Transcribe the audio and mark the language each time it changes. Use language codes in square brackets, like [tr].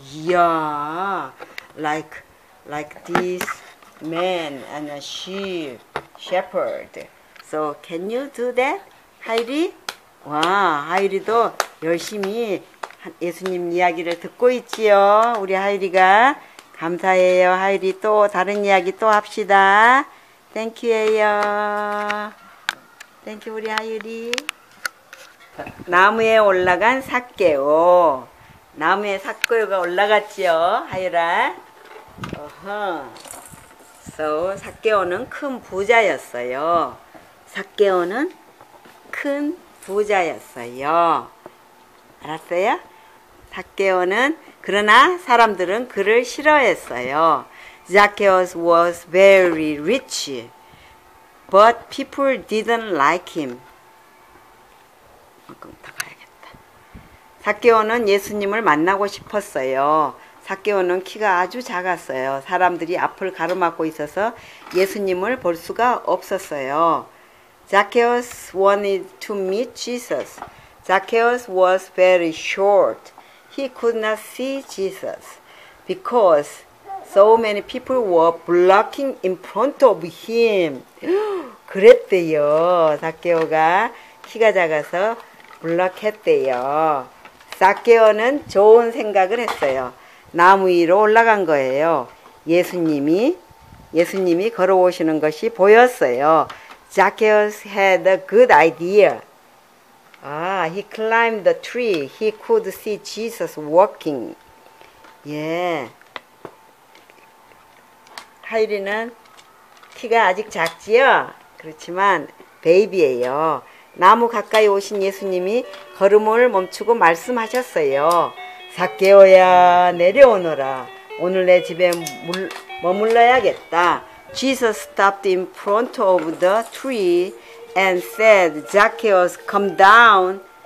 [en] Yeah, like this man and a sheep, shepherd. So can you do that, Heidi? [ko] 와, 하이리도 열심히 예수님 이야기를 듣고 있지요. 우리 하이리가 감사해요. 하이리 또 다른 이야기 또 합시다. 땡큐예요. 땡큐 우리 하이리. 나무에 올라간 삭개오. 나무에 삭개오가 올라갔지요. 하이라. 어허. So, 삭개오는 큰 부자였어요. 삭개오는 큰 부자였어요. 알았어요? 사케오는 그러나 사람들은 그를 싫어했어요. [en] Zacchaeus was very rich, but people didn't like him. [ko] 조금 더 가야겠다. 사케오는 예수님을 만나고 싶었어요. 사케오는 키가 아주 작았어요. 사람들이 앞을 가로막고 있어서 예수님을 볼 수가 없었어요. [en] Zacchaeus wanted to meet Jesus. Zacchaeus was very short. He could not see Jesus because so many people were blocking in front of him. [ko] 그랬대요. 사케오가 키가 작아서 블록했대요. 사케오는 좋은 생각을 했어요. 나무 위로 올라간 거예요. 예수님이 걸어오시는 것이 보였어요. [en] Zacchaeus had a good idea. Ah, he climbed the tree. He could see Jesus walking. Yeah. [ko] 하이리는 키가 아직 작지요? 그렇지만 베이비예요. 나무 가까이 오신 예수님이 걸음을 멈추고 말씀하셨어요. 삭개오야, 내려오너라. 오늘 내 집에 머물러야겠다. [en] Jesus stopped in front of the tree and said, Zacchaeus, come down.